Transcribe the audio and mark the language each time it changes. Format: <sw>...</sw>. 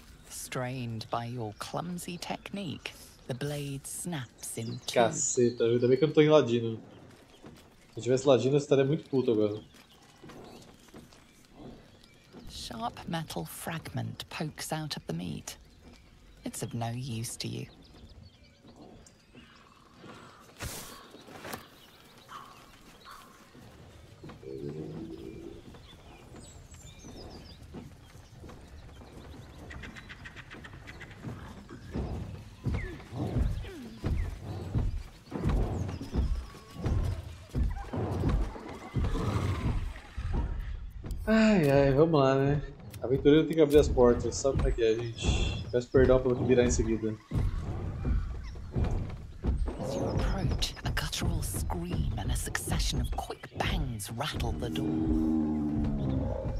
<en>Strained by your clumsy technique, the blade snaps in two.</en> <pt>Caceta, ainda bem que eu não tô enladino. Se eu tivesse ladino, eu estaria muito puto agora.</pt> <en>Sharp metal fragment pokes out of the meat. It's of no use to you.</en> <pt>Ai, ai, vamos lá, né? Aventureiro tem que abrir as portas, sabe como é que é, gente? Peço perdão pelo que virar em seguida.</pt> <en>As you approach, a guttural scream and a succession of quick bangs rattle the door.</en>